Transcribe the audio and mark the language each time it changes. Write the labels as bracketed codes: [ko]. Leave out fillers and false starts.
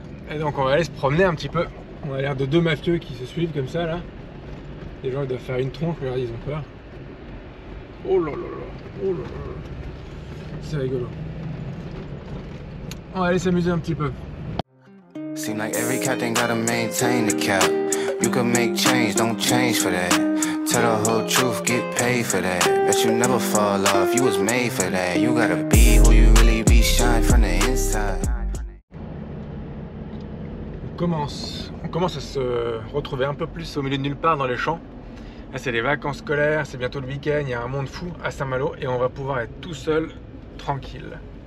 [fr] Et donc on va aller se promener un petit peu. On a l'air de deux mafieux qui se suivent comme ça là. Les gens ils doivent faire une tronche, regardez, ils ont peur. Oh là là là, oh là là. C'est rigolo. On va aller s'amuser un petit peu. [en] Seems like every cat ain't gotta maintain the cap. You can make change, don't change for that. Tell the whole truth, get paid for that. Bet you never fall off, you was made for that. You gotta be who you really be, shine from the inside. [fr] On commence à se retrouver un peu plus au milieu de nulle part dans les champs. Là, c'est les vacances scolaires, c'est bientôt le week-end, il y a un monde fou à Saint-Malo et on va pouvoir être tout seul, tranquille.